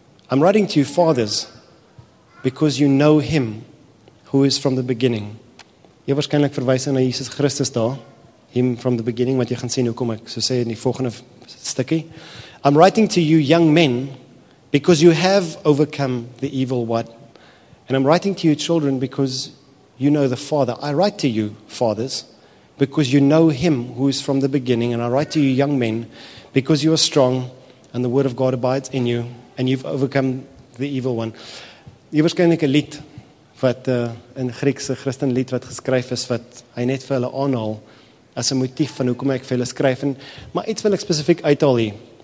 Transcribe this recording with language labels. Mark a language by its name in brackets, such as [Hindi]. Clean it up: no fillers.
[English] I'm writing to you, fathers, because you know him who is from the beginning. [Afrikaans] Jy waarskynlik verwys na Jesus Christus daar, [English] him from the beginning, [Afrikaans] wat jy gaan sien, hoe kom ek, so sê in die volgende stikkie. [English] I'm writing to you young men, because you have overcome the evil one. And I'm writing to you children, because you know the Father. I write to you, fathers, because you know him who is from the beginning. And I write to you young men, because you are strong, and the word of God abides in you, and you've overcome the evil one. [Afrikaans] Jy waarskynlik 'n lied, wat in Griekse Christenlied wat geskryf is, wat hy net vir hulle aanhaal, as 'n motief van hoekom ek vir hulle skryf. En, maar iets wil ek spesifiek uithaal hier.